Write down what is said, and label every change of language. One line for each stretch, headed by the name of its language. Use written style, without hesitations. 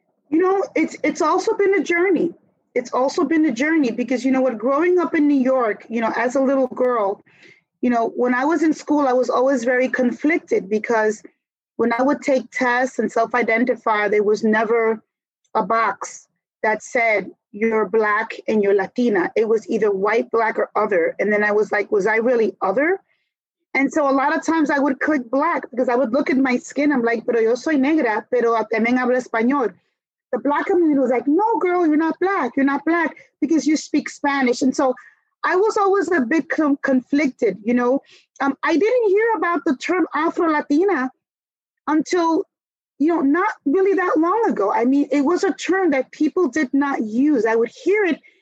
English: You know, it's also been a journey. It's also been a journey because, you know what, growing up in New York, you know, as a little girl, you know, when I was in school, I was always very conflicted because when I would take tests and self-identify, there was never a box that said you're Black and you're Latina. It was either white, Black, or other. And then I was like, was I really other? And so a lot of times I would click Black because I would look at my skin. I'm like,
Spanish: pero yo soy negra, pero también hablo español.
English: The Black community was like, no, girl, you're not Black. You're not Black because you speak Spanish. And so I was always a bit conflicted, you know. I didn't hear about the term Afro-Latina until, you know, not really that long ago. I mean, it was a term that people did not use. I would hear it.